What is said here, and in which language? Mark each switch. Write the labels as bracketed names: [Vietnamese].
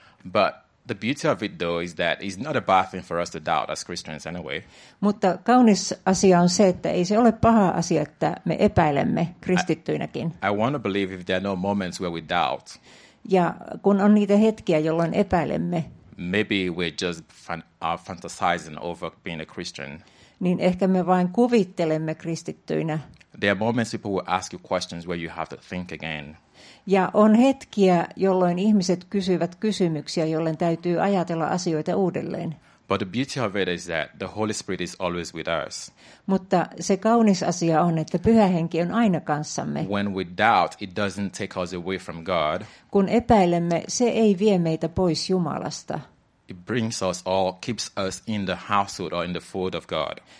[English] But the beauty of it though is that it's not a bad thing for us to doubt as Christians anyway. [Finnish] Mutta kaunis asia on se, että ei se ole paha asia, että me epäilemme kristittyinäkin. [English] I want to believe if there are no moments where we doubt. [Finnish] Ja kun on niitä hetkiä, jolloin epäilemme. [English] Maybe we're just fantasizing over being a Christian. [Finnish] Niin ehkä me vain kuvittelemme kristittyinä. [English] There are moments people will ask you questions where you have to think again. [Finnish] Ja on hetkiä, jolloin ihmiset kysyvät kysymyksiä, jolloin täytyy ajatella asioita uudelleen. [English] But the beauty of it is that the Holy Spirit is always with us. [Finnish] Mutta se kaunis asia on, että Pyhä Henki on aina kanssamme. [English] When we doubt, it doesn't take us away from God. [Finnish] Kun epäilemme, se ei vie meitä pois Jumalasta. [English] It brings us or keeps us in the household or in the fold of God.